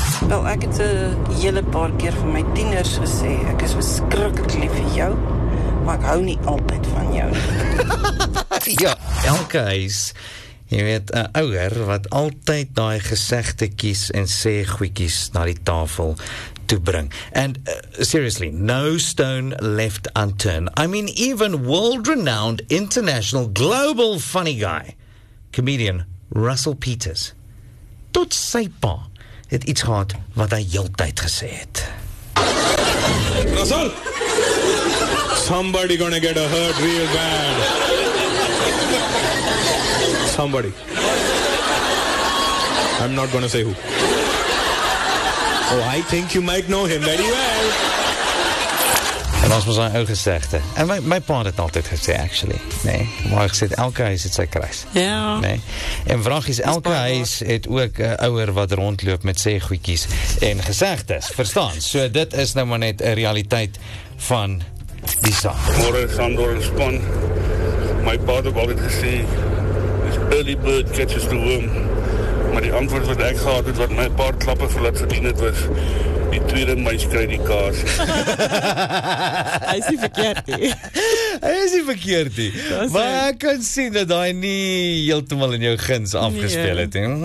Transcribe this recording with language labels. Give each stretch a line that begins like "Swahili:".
Afrikaans: Wel, ek het een hele paar keer van my tieners gesê, ek is verskrikkelijk lief vir jou, maar ek hou nie altyd van jou. Ja, elke huis, jy weet, een ouer wat altyd die gesegde kies en sê goeikies na die tafel, bring.
English: And seriously, no stone left unturned. I mean, even world-renowned international global funny guy, comedian Russell Peters,
Afrikaans: tot sy pa het iets gehad wat hy heeltyd gesê het.
English: Russell! Somebody gonna get a hurt real bad. Somebody. I'm not gonna say who. Oh, I think you might know him very well.
Afrikaans: En ons was aan jou gezegde. En my pa het altijd gesê, actually. Nee, maar hy gesê, elke huis het sy kruis. Ja. Yeah. Nee. En vraagies, elke huis het ook ouwer wat rondloop met sê goeikies en gezegdes. Verstaan? So dit is nou maar net een realiteit van die saak. Morgen, Sandor en Span. My pa het ook altijd gesê,
English: this early bird catches the worm.
Afrikaans: Maar die antwoord wat ek gehad het, wat my paar klappe vir dat verdien het, was die tweede muis kry die kaas. Hy is nie verkeerd nie. Hy is nie verkeerd nie. Maar ek kan sien dat hy nie heeltemal in jou guns afgespeel het.